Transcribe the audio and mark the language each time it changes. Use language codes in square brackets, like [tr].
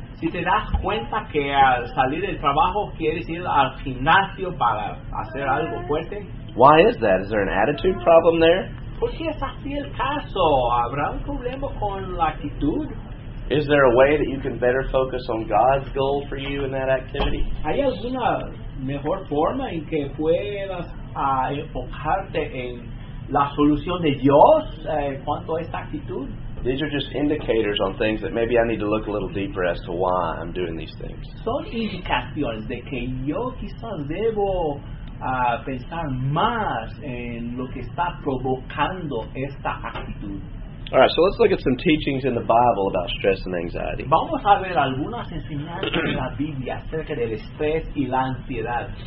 [es] Si te das cuenta que al salir del trabajo quieres ir al gimnasio para hacer algo fuerte. [en] Why is that? Is there an attitude problem there? [es] ¿Por qué es así el caso? ¿Habrá un problema con la actitud? [en] Is there a way that you can better focus on God's goal for you in that activity? [es] ¿Hay alguna mejor forma en que puedas enfocarte en la solución de Dios en cuanto a esta actitud? [en] These are just indicators on things that maybe I need to look a little deeper as to why I'm doing these things. [es] Son indicaciones de que yo quizás debo pensar más en lo que está provocando esta actitud. [en] All right, so let's look at some teachings in the Bible about stress and anxiety. [es] Vamos a ver algunas enseñanzas de la Biblia acerca del estrés y la ansiedad.